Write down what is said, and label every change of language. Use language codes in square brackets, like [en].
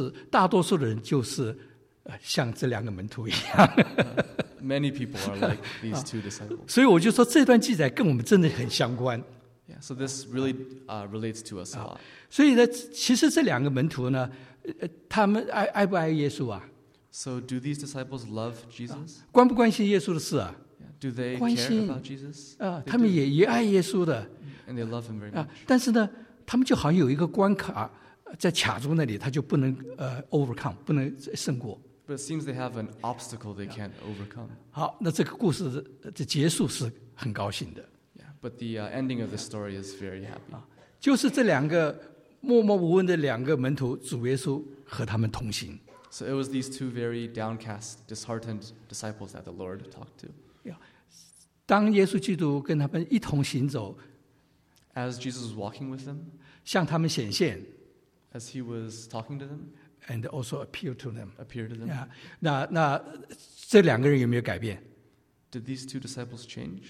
[zh] 大多数的人就是像这两个门徒一样。 [en] Many people are like these two disciples. [zh] 所以我就说这段记载跟我们真的很相关。 [en] Yeah, so this really relates to us a lot. [zh] 所以呢，其实这两个门徒呢，他们爱不爱耶稣啊？ [en] So do these disciples love Jesus? [zh] 关不关心耶稣的事啊？ [en] Do they care about Jesus? [zh] 他们也爱耶稣的。 [en] And they love him very much. [zh] 但是呢，他们就好像有一个关卡在卡住那里，他就不能overcome， 不能胜过。 [en] But it seems they have an obstacle they can't overcome. [zh] 好，那这个故事的结束是很高兴的。 [en] Yeah, but the ending of the story is very happy. [zh] 就是这两个默默无闻的两个门徒，主耶稣和他们同行。 [en] So it was these two very downcast, disheartened disciples that the Lord talked to. Yeah. [zh] 当耶稣基督跟他们一同行走， [en] as Jesus was walking with them, [zh] 向他们显现， [en] as he was talking to them, and also appeared to them. Appeared to them. Yeah. [zh] 那这两个人有没有改变？ [en] Did these two disciples change?